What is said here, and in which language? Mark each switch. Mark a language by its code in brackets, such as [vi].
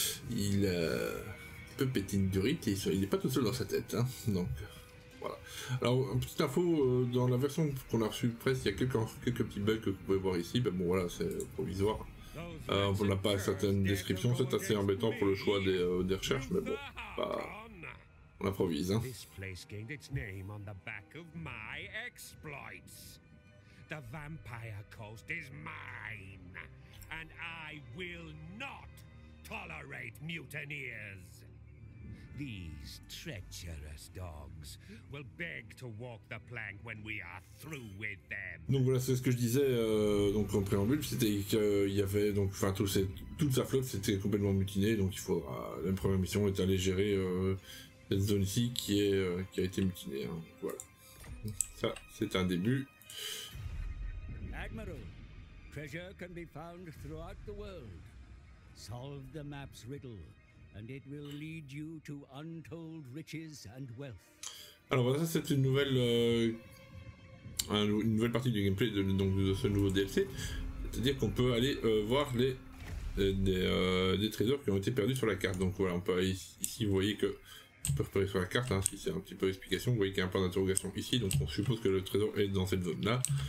[fr] Il a un peu pété une durite et il n'est pas tout seul dans sa tête. Hein, donc. Voilà. Alors, une petite info, dans la version qu'on a reçue presse, il y a quelques petits bugs que vous pouvez voir ici. Ben bon, voilà, c'est provisoire. On n'a pas certaines descriptions, c'est assez embêtant pour le choix des recherches, mais bon, bah, on improvise. Hein. [en] This place gained its name on the back of my exploits. The Vampire Coast is mine, and I will not tolerate mutineers. These treacherous dogs will beg to walk the plank when we are through with them. [fr] Donc voilà, c'est ce que je disais donc en préambule, c'était qu'il y avait donc enfin toute sa flotte c'était complètement mutinée, donc il faudra la première mission est aller gérer cette zone ici qui a été mutinée. Hein. Voilà, ça c'est un début. [en] Admiral, treasure can be found throughout the world. Solve the map's riddle. And it will lead you to untold riches and wealth. [fr] Alors voilà, ça c'est une nouvelle partie du gameplay de ce nouveau DLC. C'est-à-dire qu'on peut aller voir des trésors qui ont été perdus sur la carte. Donc voilà, on peut aller ici, vous voyez que on peut repérer sur la carte, hein, si c'est un petit peu explication, vous voyez qu'il y a un point d'interrogation ici, donc on suppose que le trésor est dans cette zone-là.